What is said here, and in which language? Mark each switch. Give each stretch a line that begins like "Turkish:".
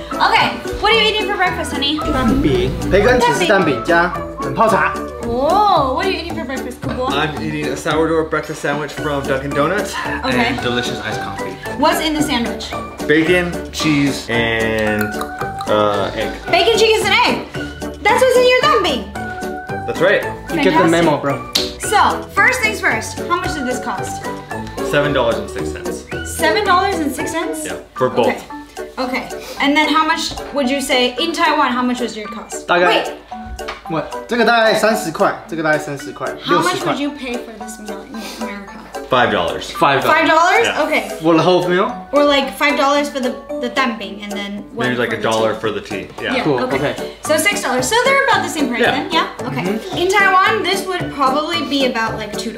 English: OK， What are you eating for breakfast, honey？
Chinese: 蛋饼，培根起司蛋饼加冷泡茶。
English: Oh, what are you eating for breakfast, Kubo? I'm eating a sourdough breakfast sandwich from Dunkin' Donuts and delicious iced coffee. What's in the sandwich? Bacon, cheese, and egg. Bacon, cheese, and egg. That's what's in your dumpling. That's right. You get the memo, bro. So, first things first, how much did this cost? $7.06. $7.06? Yeah, for both. Okay. And then how much would you say, in Taiwan, how much was your cost?
Chinese: 大概。这个大概30块，这个大概30块。
English: How much would you pay for this meal in America? $5. $5? Okay. For the whole meal? Or like $5 for the 蛋饼 and then one maybe like $1 for the tea. Yeah. Cool. Okay. So $6. So they're about the same price then. Yeah. Okay. Mm-hmm. In Taiwan, this would probably be about like $2.